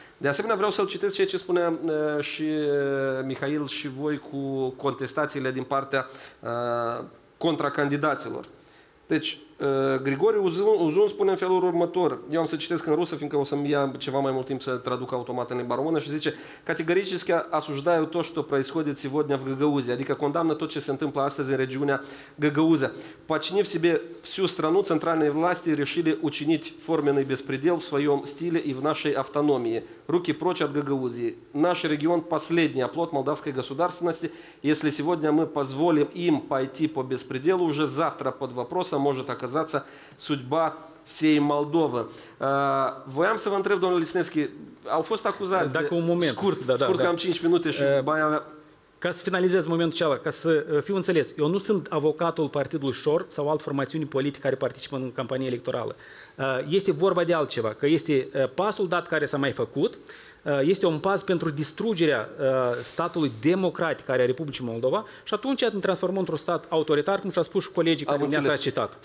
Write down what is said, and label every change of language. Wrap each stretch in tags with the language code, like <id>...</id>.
<ro>De asemenea, vreau să-l citesc ceea ce spunea și Mihail și voi cu contestațiile din partea contracandidaților. Deci, Grigori Uzun spune în felul următor, eu am să citesc în rusă, fiindcă o să-mi ia ceva mai mult timp să traduc automat în limba română, și zice,</ro> <ru>categoricheskia asuzdaju to, što происходит сегодня в Гагаузе,</ru> <ro>adică condamnă tot ce se întâmplă astăzi în regiunea Гагаузе.</ro> <ru>Починив себе всю страну, центральные власти решили учинить форменный беспредел в своем стиле и в нашей автономии. Руки прочь от Гагаузии. Наш регион последний оплот молдавской государственности. Если сегодня мы позволим им пойти по беспределу, уже завтра под вопросом может оказаться судьба всей Молдовы.</ru> <ro>Voiam să vă întreb, domnul Lisnevski, au fost acuzați de... Dacă un moment. Scurt, am 5 minute și baia mea. Ca să finalizez momentul acela, ca să fiu înțeles, eu nu sunt avocatul partidului Șor sau alt formațiuni politice care participă în campanie electorală. Este vorba de altceva, că este pasul dat care s-a mai făcut, este un pas pentru distrugerea statului democratic care are Republicii Moldova și atunci ne transformăm într-un stat autoritar, cum și-a spus și colegii care ne-a citat.</ro>